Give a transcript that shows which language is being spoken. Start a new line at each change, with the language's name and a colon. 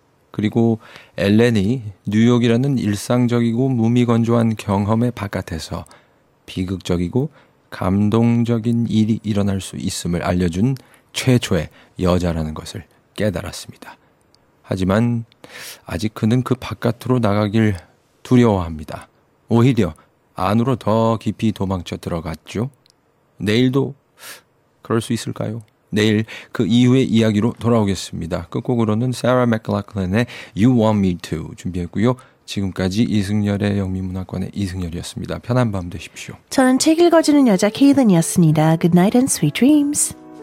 Korean: 그리고 엘렌이 뉴욕이라는 일상적이고 무미건조한 경험의 바깥에서 비극적이고 감동적인 일이 일어날 수 있음을 알려준 최초의 여자라는 것을 깨달았습니다. 하지만 아직 그는 그 바깥으로 나가길 두려워합니다. 오히려 안으로 더 깊이 도망쳐 들어갔죠. 내일도 그럴 수 있을까요? 내일 그 이후의 이야기로 돌아오겠습니다. 끝곡으로는 Sarah McLachlan의 You Want Me To 준비했고요. 지금까지 이승열의 영미문학관의 이승열이었습니다. 편한 밤 되십시오. 저는 책 읽어주는 여자 케이든이었습니다.
English: Good night and sweet dreams.